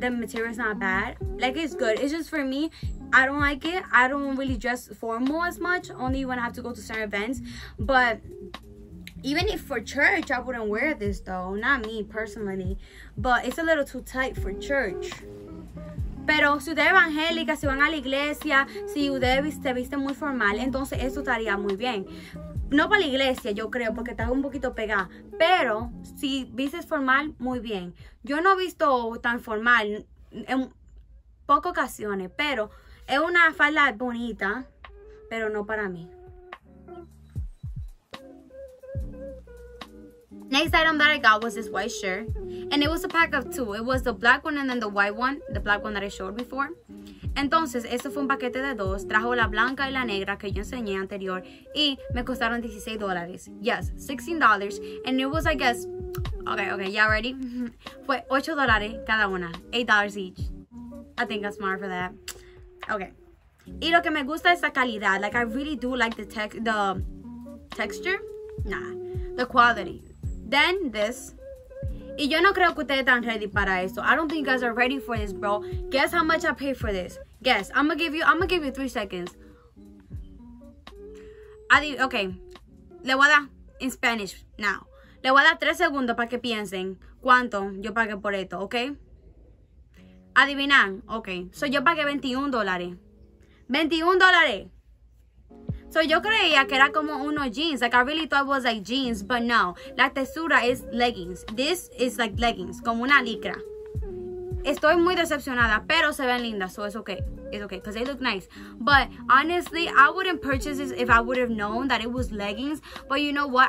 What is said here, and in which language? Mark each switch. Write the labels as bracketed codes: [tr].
[en] The material is not bad. Like it's good. It's just for me, I don't like it. I don't really dress formal as much. Only when I have to go to certain events, but. Even if for church, I wouldn't wear this though. Not me personally. But it's a little too tight for church. [es] Pero si usted es evangélica, si van a la iglesia, si usted se viste muy formal, entonces eso estaría muy bien. No para la iglesia, yo creo, porque está un poquito pegada. Pero si vistes formal, muy bien. Yo no he visto tan formal en pocas ocasiones. Pero es una falda bonita, pero no para mí. [en] Next item that I got was this white shirt, and it was a pack of two. It was the black one and then the white one, the black one that I showed before. [es] Entonces, eso fue un paquete de dos. Trajo la blanca y la negra que yo enseñé anterior, y me costaron $16. [en] Yes, $16, and it was, I guess, okay, y'all ready? [es] Fue $8 cada una, [en] $8 each. I think I'm smart for that. Okay. [es] Y lo que me gusta es la calidad. [en] Like, I really do like the quality. Then this. [es] Y yo no creo que ustedes están ready para esto. [en] I don't think you guys are ready for this, bro. Guess how much I paid for this. Guess. I'm gonna give you 3 seconds. [es] Okay. Le voy a dar [en] in Spanish now. [es] Le voy a dar 3 segundos para que piensen cuánto yo pagué por esto, okay? Adivinan. Ok. So yo pagué $21. So yo creía que era como unos jeans. [en] Like I really thought it was like jeans, but no. La textura is leggings. This is like leggings, [es] como una licra. Estoy muy decepcionada, pero se ven lindas. [en] So it's okay. It's okay, because they look nice. But honestly, I wouldn't purchase this if I would have known that it was leggings. But you know what?